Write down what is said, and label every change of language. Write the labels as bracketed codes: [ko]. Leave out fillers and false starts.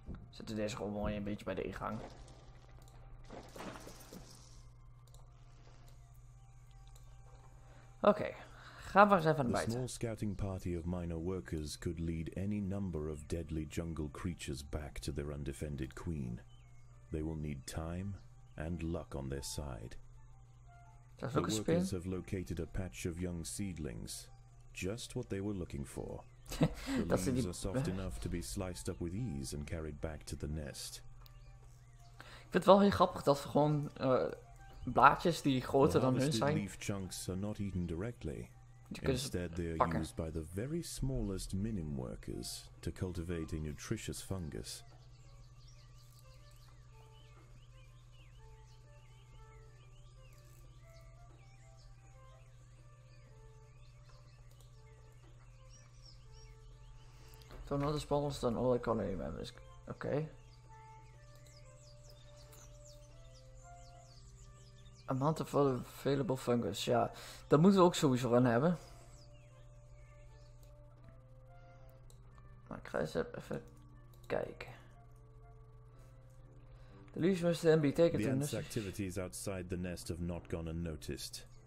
[nl] Zetten deze gewoon mooi een beetje bij de ingang. Oké, gaan we eens even naar buiten. [en] The small scouting party of minor workers could lead any number of deadly jungle creatures back to their undefended queen. They will need time and luck on their side. The workers have located a patch of young seedlings, just what they were looking for. The leaves are soft enough to be sliced up with ease and carried back to the nest. [nl] Ik vind het wel heel grappig dat we gewoon blaadjes die groter dan hun zijn. [en] Leaf chunks are not eaten directly. Instead, they are used by the very smallest minim workers to cultivate a nutritious fungus. So not as small as the other colony members. Okay. Amount of available fungus. [nl] Ja, dat moeten we ook sowieso aan hebben. Maar ik ga eens even kijken. [en] The leaves must then be taken to the nest. The ants' activities outside the nest have not gone unnoticed.